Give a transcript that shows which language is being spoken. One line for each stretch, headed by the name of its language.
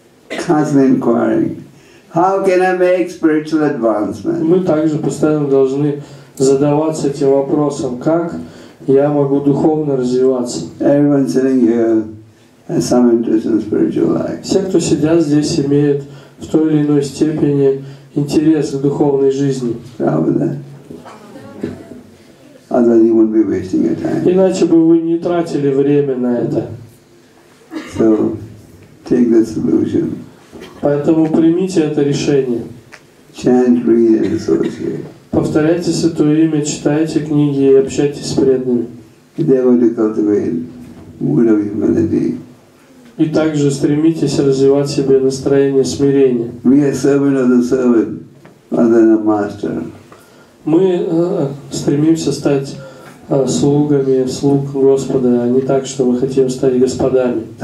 English: Constantly inquiring, how can I make spiritual advancement?
Russian: Мы также постоянно должны задаваться этим вопросом, как я могу духовно развиваться.
English: Everyone sitting here has some interest in spiritual life.
Russian: Все, кто сидят здесь, имеют в той или иной степени интерес к духовной жизни. Правда?
English: Otherwise, you wouldn't be wasting your time.
Russian: Иначе бы вы не тратили время на это.
English: So, take the solution.
Russian: Поэтому примите это решение.
English: Chant, read and associate.
Russian: Повторяйте Святое Имя, читайте книги и общайтесь с преданными. И также стремитесь развивать в себе настроение смирения.
English: We are servant of the servant, rather than a master.
Russian: Мы стремимся стать слугами слуг Господа, а не так, что мы хотим стать господами.